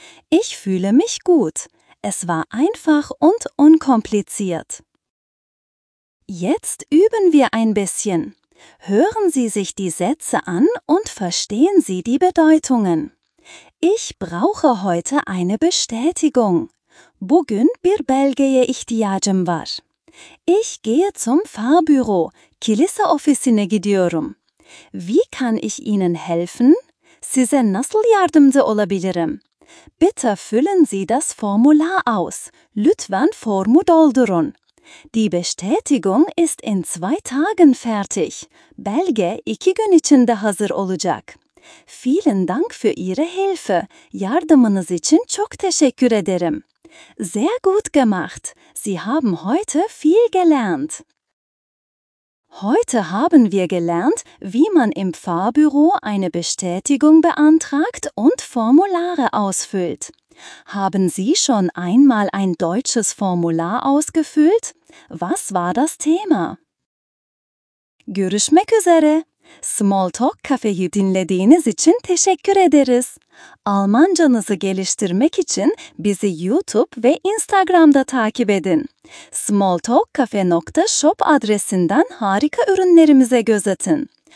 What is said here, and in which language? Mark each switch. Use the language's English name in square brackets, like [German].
[German] Ich fühle mich gut. Es war einfach und unkompliziert. Jetzt üben wir ein bisschen. Hören Sie sich die Sätze an und verstehen Sie die Bedeutungen. Ich brauche heute eine Bestätigung. [Turkish] Bugün bir belgeye ihtiyacım var. [German] Ich gehe zum Pfarrbüro, [Turkish] kilise ofisine gidiyorum. [German] Wie kann ich Ihnen helfen? [Turkish] Size nasıl yardımcı olabilirim? [German] Bitte füllen Sie das Formular aus. [Turkish] Lütfen formu doldurun. [German] Die Bestätigung ist in 2 Tagen fertig. [Turkish] Belge 2 gün içinde hazır olacak. [German] Vielen Dank für Ihre Hilfe. [Turkish] Yardımınız için çok teşekkür ederim. [German] Sehr gut gemacht. Sie haben heute viel gelernt. Heute haben wir gelernt, wie man im Pfarrbüro eine Bestätigung beantragt und Formulare ausfüllt. Haben Sie schon einmal ein deutsches Formular ausgefüllt? Was war das Thema? [Turkish] Görüşmek üzere. Small Talk Cafe'yi dinlediğiniz için teşekkür ederiz. Almancanızı geliştirmek için bizi YouTube ve Instagram'da takip edin. Smalltalk.cafe.shop adresinden harika ürünlerimize göz atın.